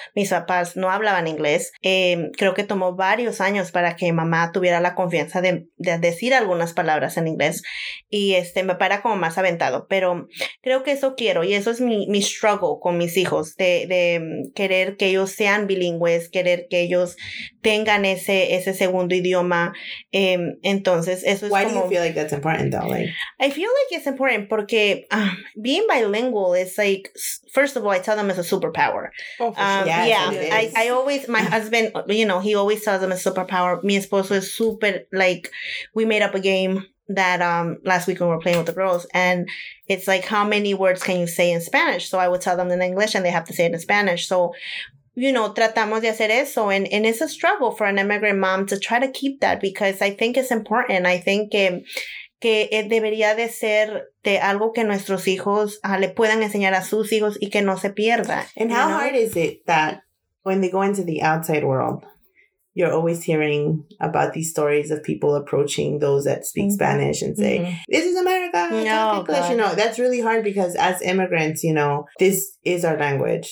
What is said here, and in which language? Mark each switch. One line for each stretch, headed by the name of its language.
Spanish: Mis papás no hablaban inglés. Creo que tomó varios años para que mamá tuviera la confianza de decir algunas palabras en inglés. Y mi papá era como más aventado. Pero creo que eso quiero. Y eso es mi struggle con mis hijos. De querer que ellos sean bilingües. Querer que ellos tengan ese segundo idioma. Entonces, eso es
English: Why
Spanish: como...
English: Why do you feel like that's important, though? I feel like it's important porque being bilingual is like... First of all, I tell them it's a superpower. Oh, for sure. Yeah, I always, my husband, you know, he always tells them it's a superpower.
Spanish: Mi esposo
English: is super, like, we made up a game that last week when we were playing with the girls, and it's like, how many words can you say in Spanish? So I would tell them in English, and they have to say it in Spanish. So, you know,
Spanish: tratamos de hacer eso,
English: and it's a struggle for an immigrant mom to try to keep that, because I think it's important. I think
Spanish: que debería de ser de algo que nuestros hijos le puedan enseñar a sus hijos y que no se pierda.
English: And how hard is it that when they go into the outside world, you're always hearing about these stories of people approaching those that speak mm-hmm. Spanish and say, mm-hmm. this is America, talk English. God. You know, that's really hard because as immigrants, you know, this is our language.